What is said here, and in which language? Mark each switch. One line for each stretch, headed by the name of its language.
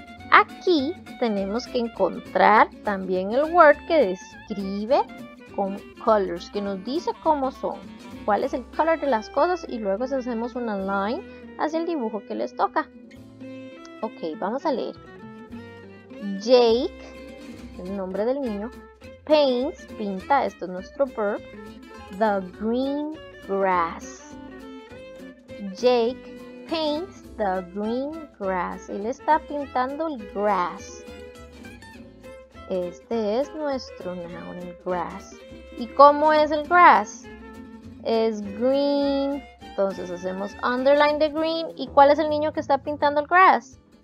Spanish: Aquí tenemos que encontrar también el word que describe con colors, que nos dice cómo son, cuál es el color de las cosas, y luego hacemos una line hacia el dibujo que les toca. Ok, vamos a leer. Jake, el nombre del niño, paints, pinta, esto es nuestro verb,
English: the green grass. Jake paints the green grass.
Spanish: Él está pintando el grass. Este es nuestro noun, el grass. ¿Y cómo es el grass? Es green. Entonces hacemos
English: underline the green.
Spanish: ¿Y cuál es el niño que está pintando el grass?